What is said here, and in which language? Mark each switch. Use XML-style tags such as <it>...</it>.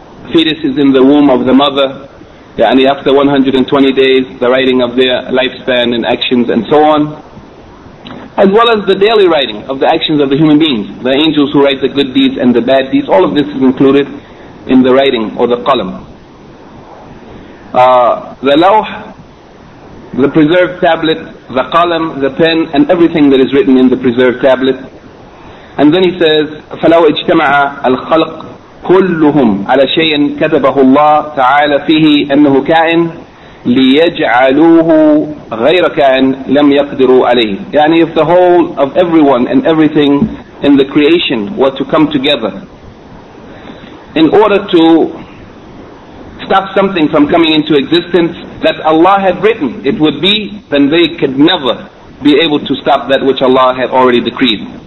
<en>fetus is in the womb of the mother, after 120 days, the writing of their lifespan and actions and so on, as well as the daily writing of the actions of the human beings, the angels who write the good deeds and the bad deeds. All of this is included in the writing, or the qalam. The lawh, the preserved tablet, the qalam, the pen, and everything that is written in the preserved tablet. And then he says,</en> <ar>فَلَوْ اجْتَمَعَ الْخَلْقُ كُلُّهُمْ عَلَى شَيْءٍ كَتَبَهُ اللَّهُ تَعَالَى فِيهِ أَنَّهُ كَائِنٍ لِيَجْعَلُوهُ غَيْرَ كَانْ لَمْ يَقْدِرُوا عَلَيْهِ.</ar> <en>Yani, if the whole of everyone and everything in the creation were to come together in order to stop something from coming into existence that Allah had written it would be, then they could never be able to stop that which Allah had already decreed.</en>